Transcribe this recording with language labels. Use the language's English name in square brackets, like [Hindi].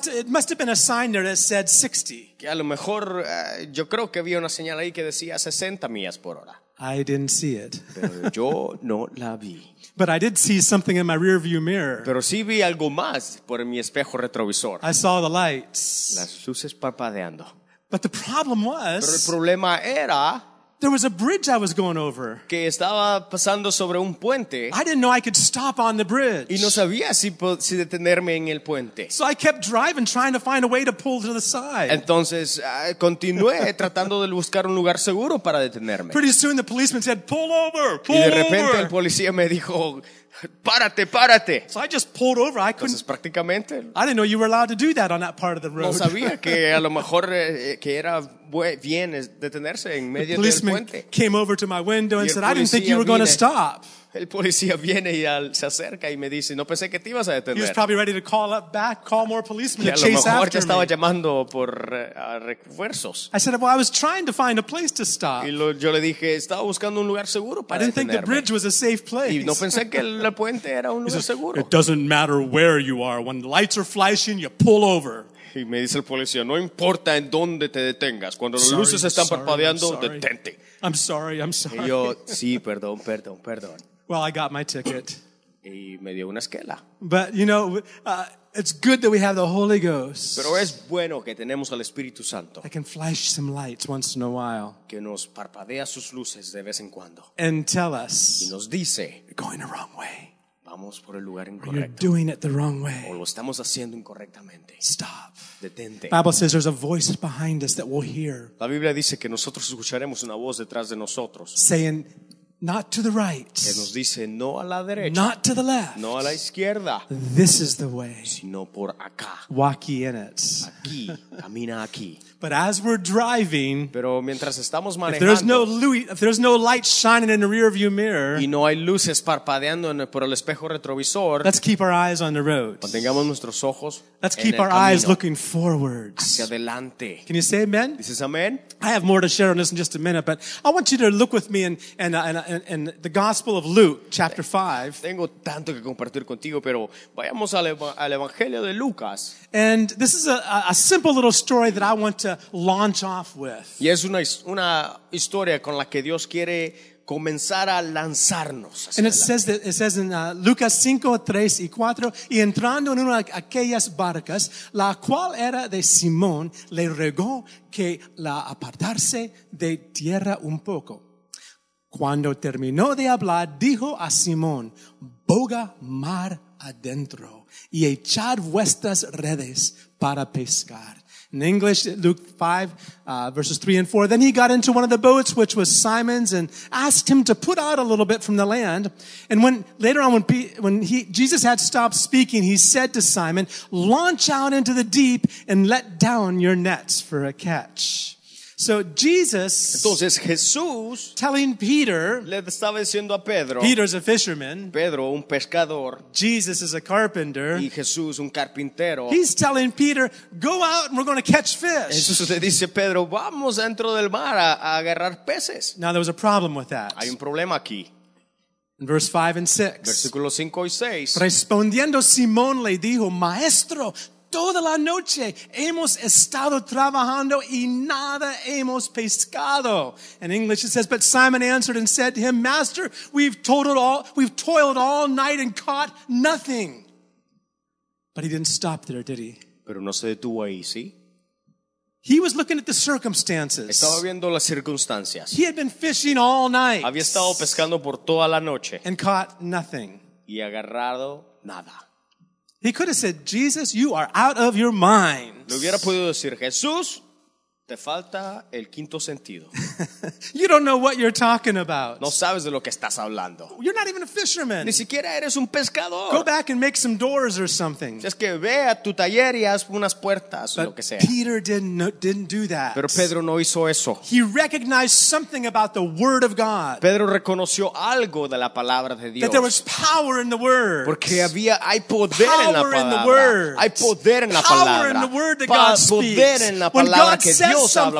[Spanish] Que a lo mejor, yo creo que había una señal ahí que decía 60 millas por hora. [English] I didn't see it. [Spanish] Pero yo no la vi. [English] But I did see something in my rear view mirror. [Spanish] Pero sí vi algo más por mi espejo retrovisor. [English] I saw the lights. [Spanish] Las luces parpadeando. [English] But the problem was, [Spanish] pero el problema era, [English] there was a bridge I was going over. [Spanish] Que estaba pasando sobre un puente. [English] I didn't know I could stop on the bridge. [Spanish] Y no sabía si detenerme en el puente. [English] So I kept driving, trying to find a way to pull to the side. [Spanish] Entonces, continué tratando de buscar un lugar seguro para detenerme. [English] Pretty soon the policeman said, pull over, pull over. [Spanish] Y de repente el policía me dijo, párate, párate. [English] So I just pulled over. I couldn't. [Spanish] Entonces, prácticamente, [English] I didn't know you were allowed to do that on that part of the road. [Spanish] No sabía que a lo mejor que era bien detenerse en medio del puente. [English] The policeman came over to my window and said, I didn't think you were going to stop. [Spanish] El policía viene y se acerca y me dice, no pensé que te ibas a detener. [English] He was probably ready to call more policemen to chase after me. [Spanish] A lo mejor ya estaba llamando por refuerzos. [English] I said, well, I was trying to find a place to stop. [Spanish] Y yo le dije, estaba buscando un lugar seguro para detenerme. [English] I didn't think the bridge was a safe place. [Spanish] Y no pensé que el puente era un lugar seguro. [English] It doesn't matter where you are. When the lights are flashing, you pull over. [Spanish] Y me dice el policía, no importa en dónde te detengas. Cuando las luces están parpadeando, detente. [English] I'm sorry, I'm sorry. [Spanish] Y yo, sí, perdón, perdón, perdón. [English] Well, I got my ticket. [Spanish] Y me dio una esquela. [English] But you know, it's good that we have the Holy Ghost. [Spanish] Pero es bueno que tenemos al Espíritu Santo. [English] I can flash some lights once in a while. [Spanish] Que nos parpadea sus luces de vez en cuando. [English] And tell us. [Spanish] Y nos dice. [English] You're going the wrong way. [Spanish] Vamos por el lugar incorrecto. [English] You're doing it the wrong way. [Spanish] O lo estamos haciendo incorrectamente. [English] Stop. [Spanish] Detente. [English] Bible says there's a voice behind us that we'll hear. [Spanish] La Biblia dice que nosotros escucharemos una voz detrás de nosotros. [English] Saying, not to the right. [Spanish] Que nos dice no a la derecha. [English] Not to the left. [Spanish] No a la izquierda. [English] This is the way. [Spanish] Sino por acá. [English] Walk ye in it. [Spanish] Aquí, camina aquí. [English] But as we're driving, [Spanish] pero mientras estamos manejando, [English] if there's no light shining in the rear view mirror, [Spanish] y no hay luces parpadeando por el espejo retrovisor, [English] let's keep our eyes on the road. [Spanish] Mantengamos nuestros ojos en el camino. [English] Let's keep our eyes looking forwards. [Spanish] Hacia adelante. [English] Can you say amen? [Spanish] Dices amen. [English] I have more to share on this in just a minute, but I want you to look with me in the Gospel of Luke, chapter 5. [Spanish] Tengo tanto que compartir contigo, pero vayamos al Evangelio de Lucas. [English] And this is a simple little story that I want to launch off with. [Spanish] Y es una historia con la que Dios quiere comenzar a lanzarnos. [English] And it says in [Spanish] Lucas 5, 3 y 4, y entrando en una de aquellas barcas, la cual era de Simón, le rogó que la apartase de tierra un poco. Cuando terminó de hablar, dijo a Simón, boga mar adentro y echad vuestras redes para pescar. [English] In English, Luke 5, verses 3 and 4, then he got into one of the boats, which was Simon's, and asked him to put out a little bit from the land. And when later on, when Jesus had stopped speaking, he said to Simon, launch out into the deep and let down your nets for a catch. So Jesus, [Spanish] entonces Jesús, [English] telling Peter, [Spanish] le estaba diciendo a Pedro, [English] Peter's a fisherman, [Spanish] Pedro un pescador, [English] Jesus is a carpenter, [Spanish] y Jesús un carpintero, [English] he's telling Peter, go out and we're going to catch fish. [Spanish] Jesús le dice a Pedro, vamos dentro del mar a agarrar peces. [English] Now there was a problem with that. [Spanish] Hay un problema aquí. [English] In verse 5 and 6, [Spanish] versículo 5 y 6, respondiendo Simón le dijo, maestro, toda la noche hemos estado trabajando y nada hemos pescado. [English] In English it says, but Simon answered and said to him, Master, we've toiled all night and caught nothing. But he didn't stop there, did he? [Spanish] Pero no se detuvo ahí, ¿sí? [English] He was looking at the circumstances. [Spanish] Estaba viendo las circunstancias. [English] He had been fishing all night. [Spanish] Había estado pescando por toda la noche. [English] And caught nothing. [Spanish] Y agarrado nada. [English] He could have said, Jesus, you are out of your mind. [Spanish] Le hubiera podido decir, Jesús, te falta el quinto sentido. [English] You don't know what you're talking about. [Spanish] No sabes de lo que estás hablando. [English] You're not even a fisherman. [Spanish] Ni siquiera eres un pescador. [English] Go back and make some doors or something. [Spanish] Si es que ve a tu taller y haz unas puertas, [English] but [Spanish] o lo que sea. [English] But Peter didn't do that. [Spanish] Pero Pedro no hizo eso. [English] He recognized something about the word of God. [Spanish] Pedro reconoció algo de la palabra de Dios. [English] That there was power in the word. [Spanish] Porque había, hay poder [English] power [Spanish] en la palabra. [English] In the word. [Spanish] Hay poder en la palabra. [English] Power in the word that God speaks. [Spanish] Poder en la palabra que Dios Dios habla.